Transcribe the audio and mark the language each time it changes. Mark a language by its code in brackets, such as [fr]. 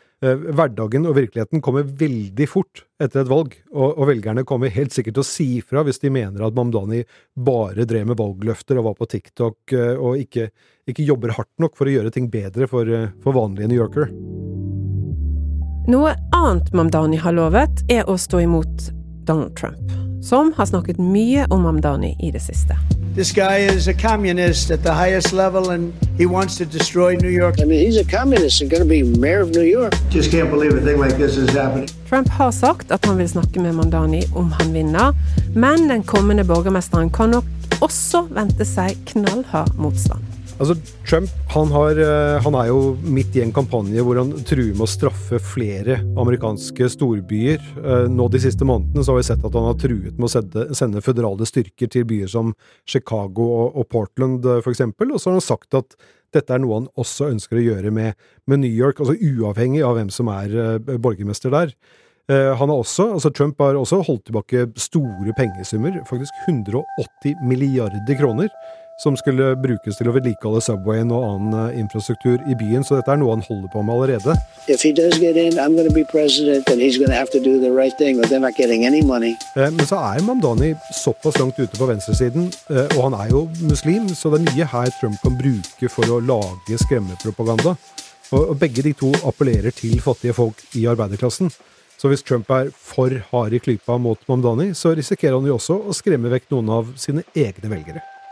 [no] Hverdagen og virkeligheten kommer veldig fort etter et valg, og velgerne kommer helt sikkert til å si fra hvis de mener at Mamdani bare drev med valgløfter og var på TikTok og ikke jobber hardt nok for å gjøre ting bedre for vanlige New Yorker. Noe annet Mamdani har lovet er å stå imot Donald Trump, som har snakket mye om Mamdani i det siste. [en] This guy is a communist at the highest level and he wants to destroy New York. I mean, he's a communist and going to be mayor of New York. Just can't believe a thing like this is happening. [no] Trump har sagt at han vil snakke med Mamdani om han vinner, men den kommende borgermesteren kan nok også vente seg knallhard motstand. Altså, Trump, han er jo midt i en kampanje hvor han truer med å straffe flere amerikanske storbyer. Nå de siste månedene så har vi sett at han har truet med å sende føderale styrker til byer som Chicago og Portland, for eksempel. Og så har han sagt at dette er noe han også ønsker å gjøre med New York, altså uavhengig av hvem som er borgermester der. Han har også, altså Trump har også holdt tilbake store pengesummer, faktisk 180 milliarder kroner, som skulle brukes til å vedlikeholde subwayen og annen infrastruktur i byen, så dette er noe han holder på med allerede. [en] If he does get in, I'm going to be president and he's going to have to do the right thing or they're not getting any money. [no] Men så er Mamdani såpass langt ute på venstresiden, og han er jo muslim, så det er mye her Trump kan bruke for å lage skremmepropaganda. Og begge de to appellerer til fattige folk i arbeiderklassen. Så hvis Trump er for hard i klypa mot Mamdani, så risikerer han jo også å skremme vekk noen av sine egne velgere.